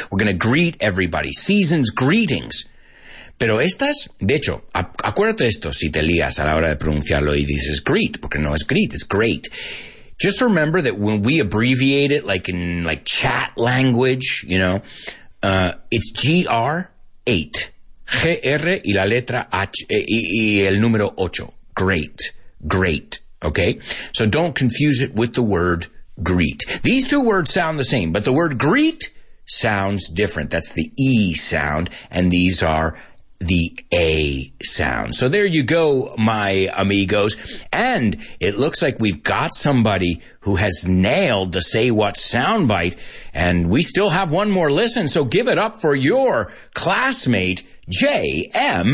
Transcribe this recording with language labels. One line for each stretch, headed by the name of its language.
English: We're going to greet everybody. Season's greetings.
Spanish: Pero estas, de hecho, acuérdate esto si te lías a la hora de pronunciarlo y dices greet, porque no es greet,
English: it's great. Just remember that when we abbreviate it, like in like chat language, you know, it's G-R-8.
Spanish: G-R y la letra H, y el número 8.
English: Great, great. Okay, so don't confuse it with the word greet. These two words sound the same, but the word greet sounds different. That's the E sound, and these are the A sound. So there you go, my amigos. And it looks like we've got somebody who has nailed the Say What soundbite, and we still have one more listen, so give it up for your classmate, J.M.